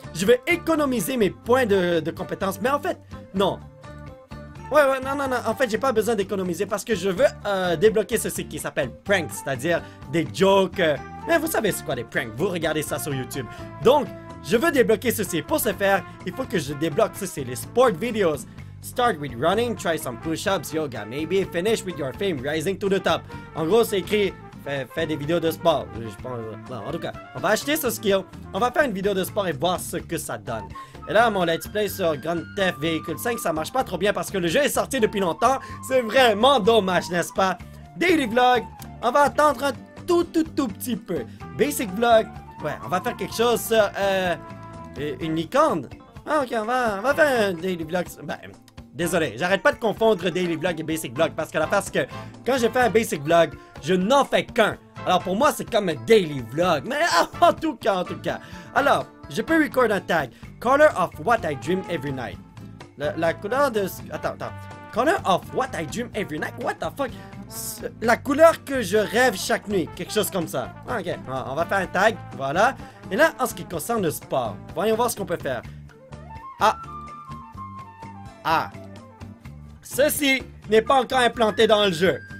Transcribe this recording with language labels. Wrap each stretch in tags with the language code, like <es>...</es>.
<fr>Je vais économiser mes points de compétences. Mais en fait, non. Ouais, non. En fait, j'ai pas besoin d'économiser parce que je veux débloquer ceci qui s'appelle prank, c'est-à-dire des jokes. Mais vous savez c'est quoi des pranks? Vous regardez ça sur YouTube. Donc, je veux débloquer ceci. Pour ce faire, il faut que je débloque ceci, les sport videos.</fr> <en>Start with running, try some push-ups, yoga, maybe finish with your fame, rising to the top.</en> <fr>En gros, c'est écrit... Fais des vidéos de sport, je pense. Non, en tout cas, on va acheter ce skill. On va faire une vidéo de sport et voir ce que ça donne. Et là, mon let's play sur Grand Theft Vehicle 5, ça marche pas trop bien parce que le jeu est sorti depuis longtemps. C'est vraiment dommage, n'est-ce pas? Daily vlog, on va attendre un tout petit peu. Basic vlog, ouais, on va faire quelque chose sur une licorne. Ah, ok, on va faire un daily vlog. Ben, désolé, j'arrête pas de confondre daily vlog et basic vlog parce que là, parce que quand je fais un basic vlog, je n'en fais qu'un. Alors pour moi, c'est comme un daily vlog. Mais en tout cas. Alors, je peux record un tag.</fr> <en>Color of what I dream every night.</en> <fr>La couleur de... Attends.</fr> <en>Color of what I dream every night. What the fuck?</en> <fr>La couleur que je rêve chaque nuit. Quelque chose comme ça. Ok, on va faire un tag. Voilà. Et là, en ce qui concerne le sport, voyons voir ce qu'on peut faire. Ah. Ceci n'est pas encore implanté dans le jeu.</fr>